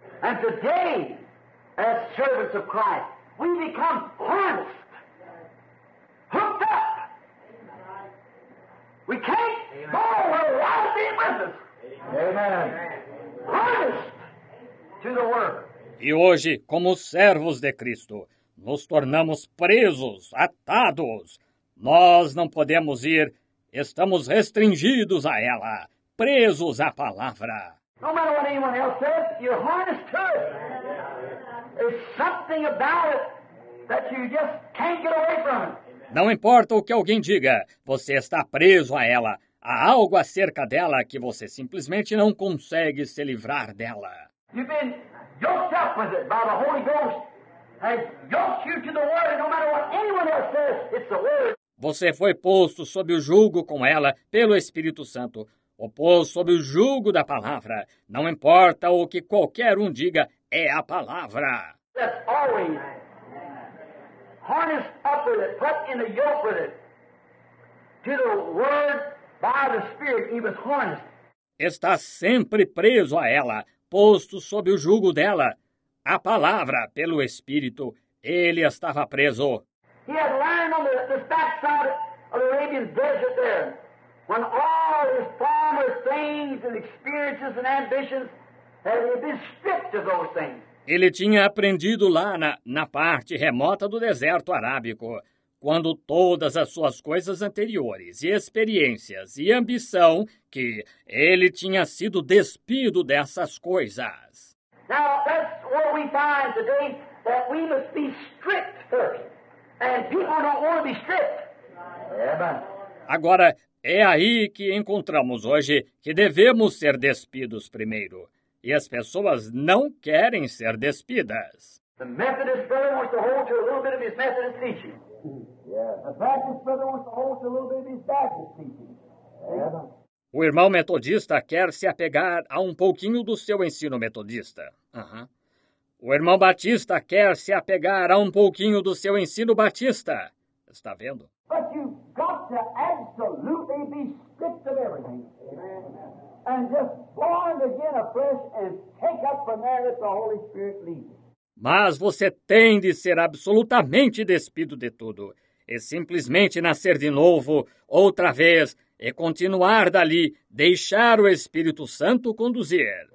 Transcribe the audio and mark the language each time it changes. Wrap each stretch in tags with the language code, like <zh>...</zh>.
<en>And today, as servants of Christ, we become harnessed, hooked up. We can't go without being with us. Amen. Harnessed to the word.</en> <pt>E hoje, como servos de Cristo, nos tornamos presos, atados. Nós não podemos ir, estamos restringidos a ela, presos à palavra.</pt> <en>No matter what anyone else says, you're harnessed to it. There's something about it that you just can't get away from.</en> <pt>Não importa o que alguém diga, você está preso a ela. Há algo acerca dela que você simplesmente não consegue se livrar dela.</pt> <en>You've been yoked up with it by the Holy Ghost. Has yoked you to the Word, and no matter what anyone else says, it's the Word.</en> <pt>Você foi posto sob o jugo com ela pelo Espírito Santo. O pôs sob o jugo da palavra. Não importa o que qualquer um diga, é a palavra.</pt> <en>That's always harnessed up with it, put in a yoke with it, to the word by the Spirit, even harnessed.</en> <pt>Está sempre preso a ela, posto sob o jugo dela. A palavra, pelo Espírito, ele estava preso.</pt> <en>He had learned on the backside of the Arabian desert there, when all his former things and experiences and ambitions had been stripped of those things.</en> <pt>Ele tinha aprendido lá na parte remota do deserto arábico, quando todas as suas coisas anteriores e experiências e ambição, que ele tinha sido despido dessas coisas.</pt> <en>Now, that's what we find today, that we must be stripped first. And people don't want to be stripped.</en> <pt>Agora, é aí que encontramos hoje que devemos ser despidos primeiro. E as pessoas não querem ser despidas.</pt> <en>The Methodist brother wants to hold to a little bit of his Methodist teaching. Yeah. The Baptist brother wants to hold to a little bit of his Baptist teaching.</en> <pt>O irmão metodista quer se apegar a um pouquinho do seu ensino metodista. O irmão Batista quer se apegar a um pouquinho do seu ensino Batista. Está vendo?</pt> <en>But you've got to absolutely be stripped of everything. Amen. And just born again afresh and take up from there that the Holy Spirit leads.</en> <pt>Mas você tem de ser absolutamente despido de tudo é simplesmente nascer de novo, outra vez, e continuar dali, deixar o Espírito Santo conduzir.</pt>